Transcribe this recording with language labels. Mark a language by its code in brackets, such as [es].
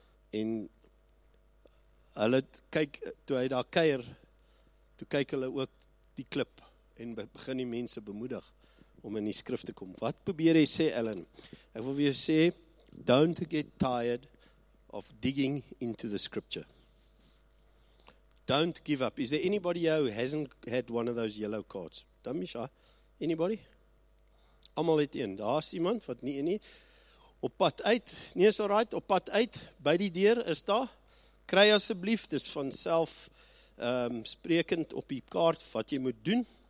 [af] En hulle kyk, toe hy daar keir, toe kyk hulle ook die klip en begin die mense bemoedig om in die skrif te kom. Wat probeer hy sê, Ellen? Ek wil vir jou sê, [en] don't get tired of digging into the scripture. Don't give up. Is there anybody here who hasn't had one of those yellow cards? Don't be shy. Anybody? [af] Allemaal het een. Daar is iemand wat nie, nie. Op pad uit. Nee, is [en] all right. [af] Op pad uit. By die deur is daar. Kry asseblief. Dis vanself sprekend op die kaart wat jy moet doen.